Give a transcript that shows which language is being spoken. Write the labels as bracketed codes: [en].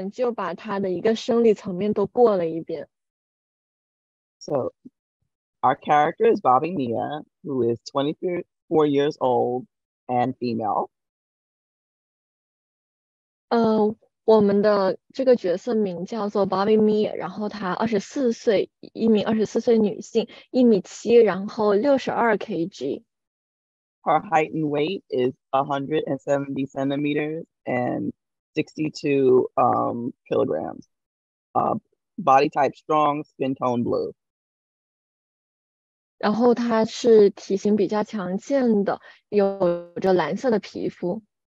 [zh] 那我们就把他的一个生理层面都过了一遍。 [en] So, our character is Bobby Mia, who is 24 years old and female. [zh] 我们的这个角色名叫做Bobby Mia, 然后她24岁, 一名24岁女性, 1米7, 然后62kg. [en] Her height and weight is 170 centimeters and 62 kilograms. Body type strong, skin tone blue. [zh] 然后她是体型比较强健的, 有着蓝色的皮肤。